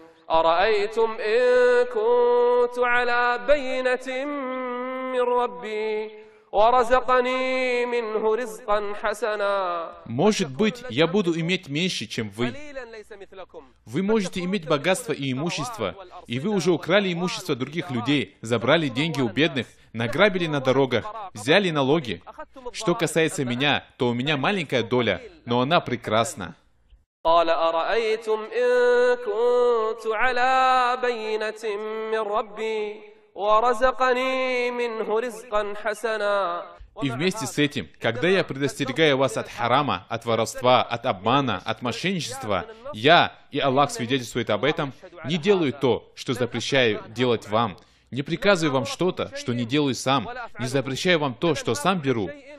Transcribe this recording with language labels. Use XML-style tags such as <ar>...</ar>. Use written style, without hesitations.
<ar>أرأيتم إن كنت على بينة من ربي ورزقني منه رزقا حسنا.</ar> <ru>Может быть, я буду иметь меньше, чем вы. Вы можете иметь богатство и имущество, и вы уже украли имущество других людей, забрали деньги у бедных, награбили на дорогах, взяли налоги. Что касается меня, то у меня маленькая доля, но она прекрасна.</ru> <ar>قال أرأيتم إن كنت على بينة من ربي ورزقني منه رزقا حسنا.</ar> <ru>И вместе с этим, когда я предостерегаю вас от харама, от воровства, от обмана, от мошенничества, я, и Аллах свидетельствует об этом, не делаю то, что запрещаю делать вам, не приказываю вам что-то, что не делаю сам, не запрещаю вам то, что сам беру.</ru>